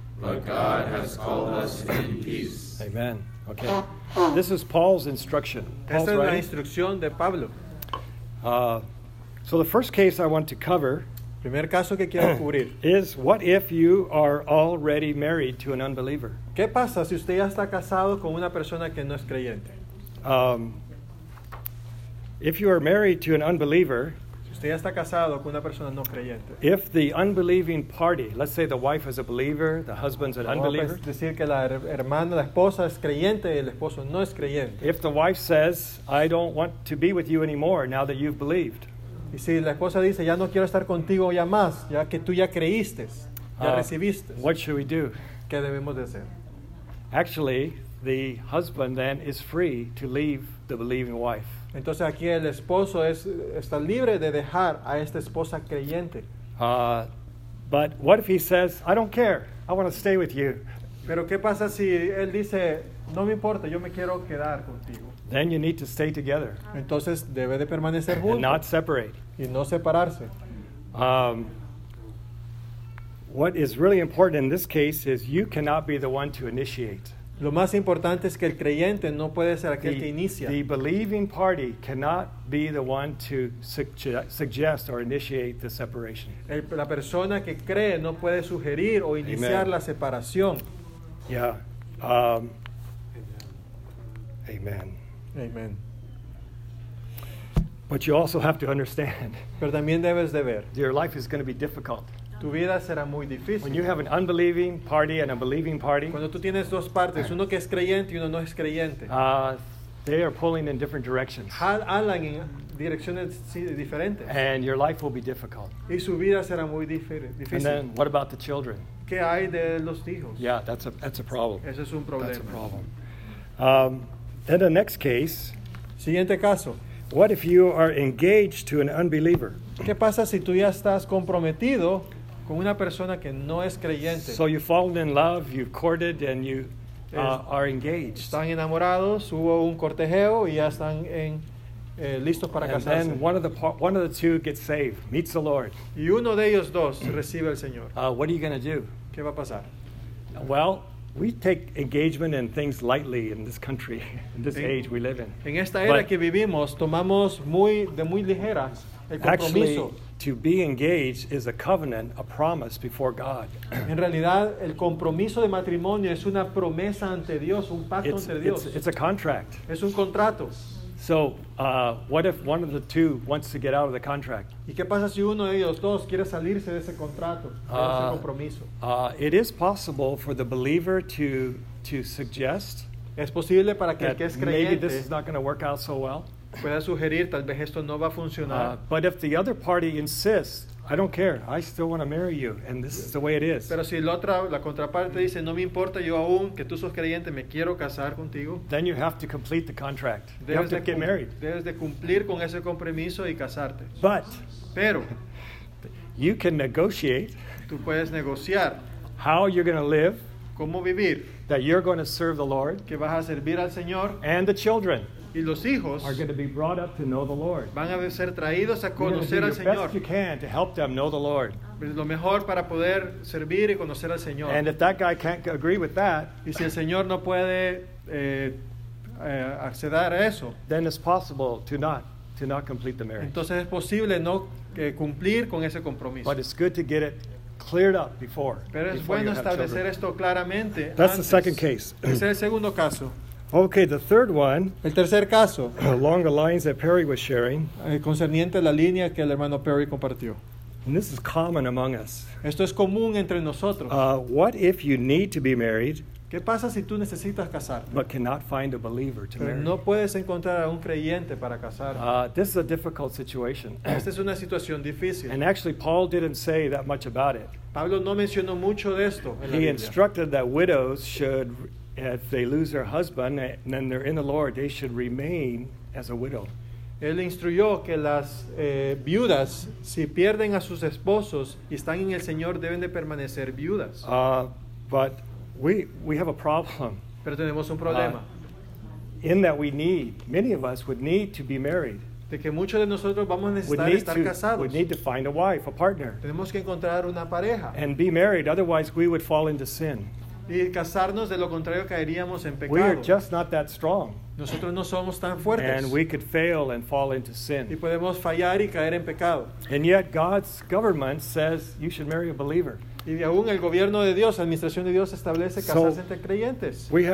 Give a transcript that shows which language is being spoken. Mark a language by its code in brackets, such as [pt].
[en] But God has called us in peace. Amen. Okay. This is Paul's instruction. [es] Esta es la instrucción de Pablo. [en] So the first case I want to cover. [es] Primer caso que quiero cubrir. [en] Is what if you are already married to an unbeliever? [es] ¿Qué pasa si usted ya está casado con una persona que no es creyente? [en] If you are married to an unbeliever. [es] Usted está casado con una persona no creyente. [en] If the unbelieving party, let's say the wife is a believer, the husband's an unbeliever. [es] Vamos a decir que la hermana, la esposa es creyente y el esposo no es creyente. [en] If the wife says, I don't want to be with you anymore now that you've believed. [es] Y si la esposa dice, ya no quiero estar contigo ya más, ya que tú ya creíste, ya recibiste. [en] What should we do? [es] ¿Qué debemos de hacer? [en] Actually, the husband then is free to leave the believing wife. [es] Entonces aquí el esposo está libre de dejar a esta esposa creyente. [en] But what if he says, I don't care, I want to stay with you. [es] Pero qué pasa si él dice, no me importa, yo me quiero quedar contigo. [en] Then you need to stay together. [es] Entonces debe de permanecer juntos. [en] And not separate. [es] Y no separarse. [en] What is really important in this case is you cannot be the one to initiate. [es] Lo más importante es que el creyente no puede ser aquel que inicia. [en] The believing party cannot be the one to suggest or initiate the separation. [es] La persona que cree no puede sugerir o iniciar la separación. [en] Yeah. Amen. [es] Amen. [en] But you also have to understand. [es] Pero también debes de ver. [en] Your life is going to be difficult. [es] Tu vida será muy difícil. [en] When you have an unbelieving party and a believing party, [es] cuando tú tienes dos partes, uno que es creyente y uno no es creyente, [en] they are pulling in different directions. [es] Hablan en direcciones diferentes. [en] And your life will be difficult. [es] Y su vida será muy difícil. [en] And then, what about the children? [es] ¿Qué hay de los hijos? [en] Yeah, that's a problem. [es] Ese es un problema. [en] That's a problem. Then the next case. [es] Siguiente caso. [en] What if you are engaged to an unbeliever? [es] ¿Qué pasa si tú ya estás comprometido con una persona que no es creyente? [en] So you've fallen in love, you've courted, and you are engaged. [es] Están enamorados, hubo un cortejeo, y ya están listos para casarse. [en] And then one of the two gets saved, meets the Lord. [es] Y uno de ellos dos recibe al Señor. [en] What are you going to do? [es] ¿Qué va a pasar? [en] Well, we take engagement and things lightly in this country, in this age we live in. [es] En esta era que vivimos, tomamos muy ligera el compromiso. [en] To be engaged is a covenant, a promise before God. [es] En realidad, el compromiso de matrimonio es una promesa ante Dios, un pacto ante Dios. [en] It's a contract. [es] Es un contrato. [en] So, what if one of the two wants to get out of the contract? [es] ¿Y qué pasa si uno de ellos dos quiere salirse de ese contrato, de ese compromiso? [en] It is possible for the believer to suggest. [es] Es posible para que el que es creyente. [en] Maybe this is not going to work out so well. [es] Puede sugerir, tal vez esto no va a funcionar. [en] But if the other party insists, I don't care, I still want to marry you, and this is the way it is. [es] Pero si la contraparte dice, no me importa, yo aún que tú sos creyente, me quiero casar contigo. [en] Then you have to complete the contract. You have to get married. [es] Debes de cumplir con ese compromiso y casarte. [en] Pero, you can negotiate. [es] Tú puedes negociar. [en] How you're going to live. [es] Cómo vivir. [en] That you're going to serve the Lord. [es] Que vas a servir al Señor. [en] And the children. [es] Y los hijos [en] are going to be brought up to know the Lord. [es] Van a ser traídos a conocer al Señor. [en] Do the best you can to help them know the Lord. [es] Lo mejor para poder servir y conocer al Señor. [en] And if that guy can't agree with that, [es] y si el Señor no puede acceder a eso, [en] then it's possible to not complete the marriage. [es] Entonces es posible no cumplir con ese compromiso. [en] But it's good to get it cleared up before. [es] Pero es bueno establecer esto claramente. [en] That's the second case. [es] Ese es el segundo caso. [en] Okay, the third one. [es] El tercer caso. [en] Along the lines that Perry was sharing. [es] Concerniente la línea que el hermano Perry compartió. [en] And this is common among us. [es] Esto es común entre nosotros. [en] What if you need to be married? [es] ¿Qué pasa si tú necesitas casarte? [en] But cannot find a believer to marry. [es] No puedes encontrar a un creyente para casar. [en] This is a difficult situation. [es] Esta es una situación difícil. [en] And actually, Paul didn't say that much about it. [es] Pablo no mencionó mucho de esto en la [en] Biblia. He instructed that widows should. If they lose their husband and then they're in the Lord, they should remain as a widow. [es] Él instruyó que las viudas, si pierden a sus esposos y están en el Señor, deben de permanecer viudas. [en] But we have a problem. [es] Pero tenemos un problema. [en] In that we need, many of us would need to be married. [es] De que muchos de nosotros vamos a necesitar estar casados. [en] We need to find a wife, a partner. [es] Tenemos que encontrar una pareja. [en] And be married, otherwise we would fall into sin. [es] Y casarnos, de lo contrario, caeríamos en pecado. [en] We are just not that strong. [es] Nosotros no somos tan fuertes. [en] And we could fail and fall into sin. [es] Y podemos fallar y caer en pecado. [en] And yet God's government says you should marry a believer. [es] Y aún el gobierno de Dios, administración de Dios, establece casarse entre creyentes.